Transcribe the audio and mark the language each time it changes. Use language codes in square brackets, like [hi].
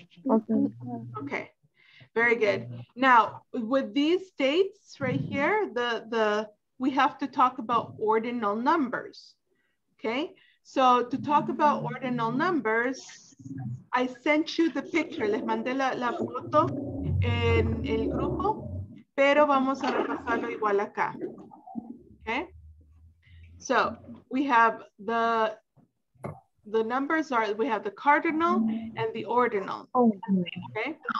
[en] Okay. Okay. Very good. Now with these dates right here, the we have to talk about ordinal numbers. Okay. So to talk about ordinal numbers, I sent you the picture. [es] Les mandé la foto en el grupo, pero vamos a repasarlo igual acá. [en] Okay. So we have the numbers are, we have the cardinal and the ordinal, okay?